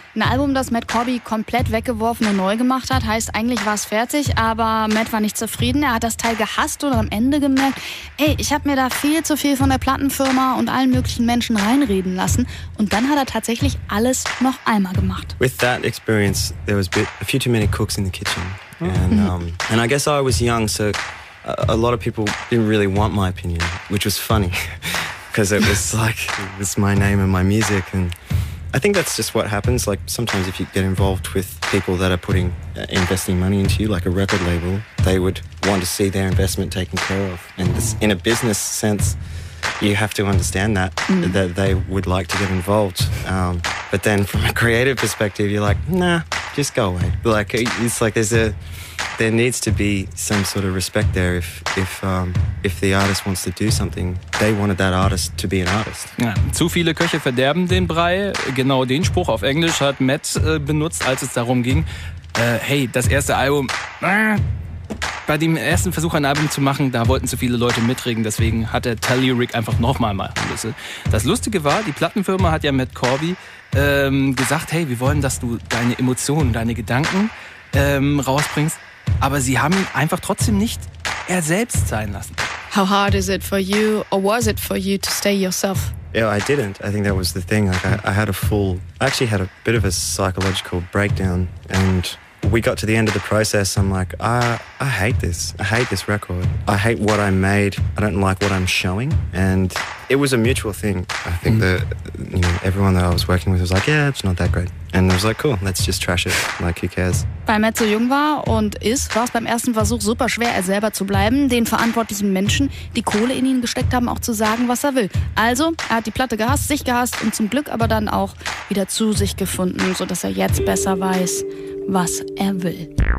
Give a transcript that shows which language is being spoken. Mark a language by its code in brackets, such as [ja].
[de] Ein Album, das Matt Corby komplett weggeworfen und neu gemacht hat, heißt, eigentlich war es fertig, aber Matt war nicht zufrieden. Er hat das Teil gehasst und am Ende gemerkt, ey, ich habe mir da viel zu viel von der Plattenfirma und allen möglichen Menschen reinreden lassen. Und dann hat er tatsächlich alles noch einmal gemacht. [en] With that experience, there was a few too many cooks in the kitchen. And I guess I was young, so a lot of people didn't really want my opinion, which was funny, because it was like, it's my name and my music and... I think that's just what happens. Like sometimes if you get involved with people that are putting investing money into you, like a record label, they would want to see their investment taken care of. And this, in a business sense, you have to understand that, that they would like to get involved. But then from a creative perspective, you're like, nah, just go away. Like it's like there needs to be some sort of respect there. If the artist wants to do something, they wanted that artist to be an artist. [de] Ja, zu viele Köche verderben den Brei. Genau den Spruch auf Englisch hat Matt benutzt, als es darum ging, hey, das erste Album, bei dem ersten Versuch, ein Album zu machen, da wollten zu viele Leute mitregen. Deswegen hat er Telluric einfach nochmal machen müssen. Das Lustige war, die Plattenfirma hat ja Matt Corby gesagt, hey, wir wollen, dass du deine Emotionen, deine Gedanken rausbringst. Aber sie haben ihn einfach trotzdem nicht er selbst sein lassen. [en] How hard is it for you, or was it for you, to stay yourself? Yeah, I didn't. I think that was the thing. Like, I had a full... I actually had a bit of a psychological breakdown. And we got to the end of the process. I'm like, I hate this. I hate this record. I hate what I made. I don't like what I'm showing. And it was a mutual thing. I think that, you know, everyone that I was working with was like, yeah, it's not that great. And I was like, cool, let's just trash it. Like, who cares? [de] Weil Matt so jung war und ist, war es beim ersten Versuch super schwer, er selber zu bleiben, den verantwortlichen Menschen, die Kohle in ihn gesteckt haben, auch zu sagen, was er will. Also, er hat die Platte gehasst, sich gehasst und zum Glück aber dann auch wieder zu sich gefunden, sodass er jetzt besser weiß, was er will.